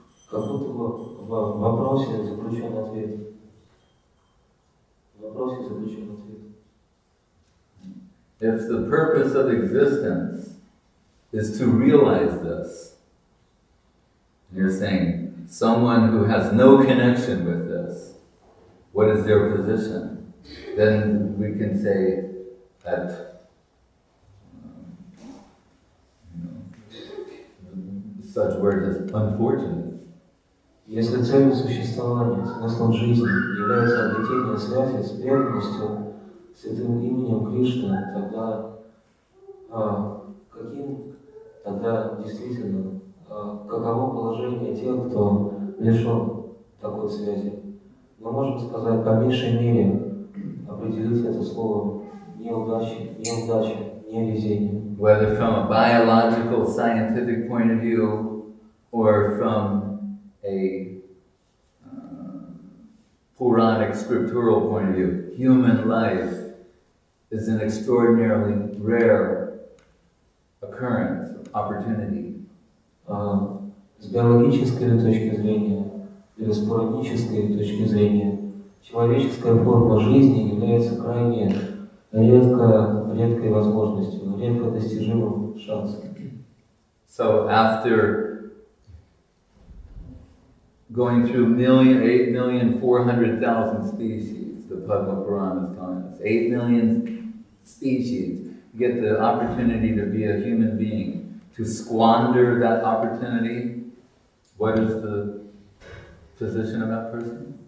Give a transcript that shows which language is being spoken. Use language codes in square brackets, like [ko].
[ru] Как будто бы в вопросе заключен ответ. В вопросе заключен ответ. [en] If the purpose of existence is to realize this, you're saying someone who has no connection with this, what is their position? Then we can say that such words as unfortunate. [ru] Если цель существования, смысл жизни является обретение связи с верностью святым именем Кришны, тогда каким тогда действительно каково положение тех, кто лишён такой связи? Мы можем сказать по меньшей мере определить это слово неудача, невезение. [en] Whether from a biological, scientific point of view, or from a Puranic scriptural point of view, human life is an extraordinarily rare occurrence, opportunity. [ru] С биологической точки зрения или с пуранической точки зрения, человеческая форма жизни является крайне редкой возможностью, редко достижимым шансом. [en] So after going through 8,400,000 species, the Padma Purana is telling us, 8 million species, you get the opportunity to be a human being, to squander that opportunity, what is the position of that person?